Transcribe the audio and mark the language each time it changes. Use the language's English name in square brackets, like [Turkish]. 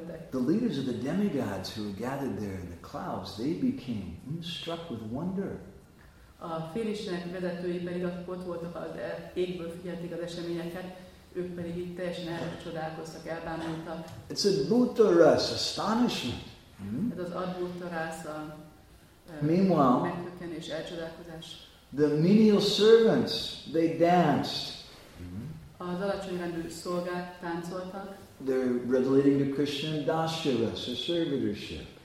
[English] The leaders of the demigods who were gathered there in the clouds, they became struck with wonder. [Hungarian] A félistenek vezetői pedig ott voltak az égből figyelték az eseményeket, ők pedig itt teljesen elcsodálkoztak, elbámultak. [English] It's Adbhuta Ras, astonishment. [Hungarian] Ez az Adbhuta Ras, a megtökkenés, elcsodálkozás. [English] The menial servants, they danced. [Hungarian] Az alacsony rendű szolgák táncoltak. [English] They're relating to Krishna Dasyaras, a servitorship.